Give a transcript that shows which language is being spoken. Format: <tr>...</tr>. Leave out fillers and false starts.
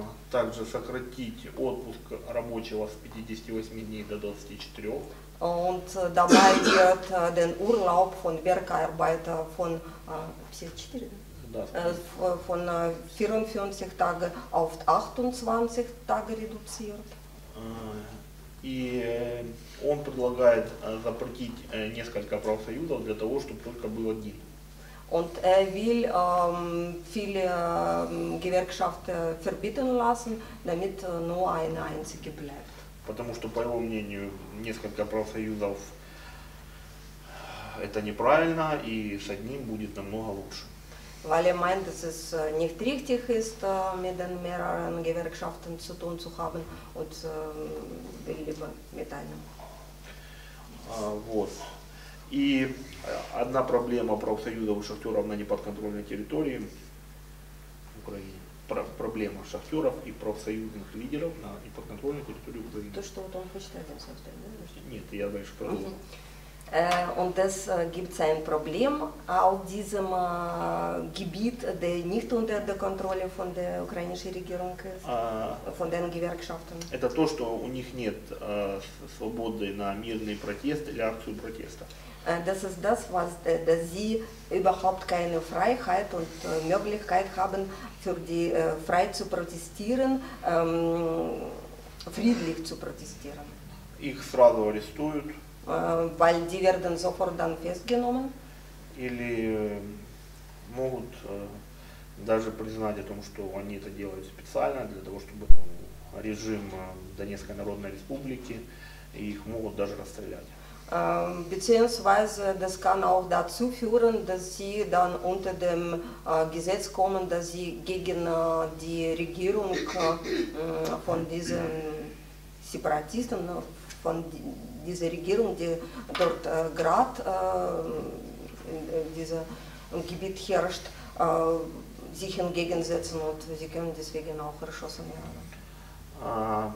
<ru>Также сократить отпуск рабочего с 58 дней до 24.</ru> <de>Und dabei wird den Urlaub von Werkarbeiter von 54 Tage auf 28 Tage reduziert.</de> <ru>И он предлагает запретить несколько профсоюзов для того, чтобы только был один.</ru> <de>Und er will viele Gewerkschaften verbieten lassen, damit nur eine einzige bleibt.</de> <ru>Потому что, по его мнению, несколько профсоюзов это неправильно, и с одним будет намного лучше.</ru> <de>weil er meint, dass es nicht richtig ist, mit den mehreren Gewerkschaften zu tun zu haben und will lieber mit einem.</de> <ru>Вот. И одна проблема профсоюзов шахтеров на неподконтрольной территории Украины. Проблема шахтеров и профсоюзных лидеров на неподконтрольной территории Украины. То, что вот он хочет один сказать, да? Нет, я дальше продолжу.</ru> <de>Und es gibt ein Problem auf diesem Gebiet, der nicht unter der Kontrolle von der ukrainischen Regierung ist, von den Gewerkschaften.</de> <ru>Это то, что у них нет свободы на мирный протест или акцию протеста.</ru> <de>Das ist das, was dass sie überhaupt keine Freiheit und Möglichkeit haben, für die frei zu protestieren, friedlich zu protestieren.</de> <ru>Их сразу арестуют.</ru> <de>Weil die werden sofort dann festgenommen.</de> <ru>Или могут даже признать о том, что они это делают специально для того, чтобы режим Донецкой Народной Республики, и их могут даже расстрелять.</ru> <de>Beziehungsweise das kann auch dazu führen, dass sie dann unter dem Gesetz kommen, dass sie gegen die Regierung von diesen Separatisten, von dieser Regierung, die dort gerade in diesem Gebiet herrscht, sich entgegensetzen und sie können deswegen auch erschossen werden.</de>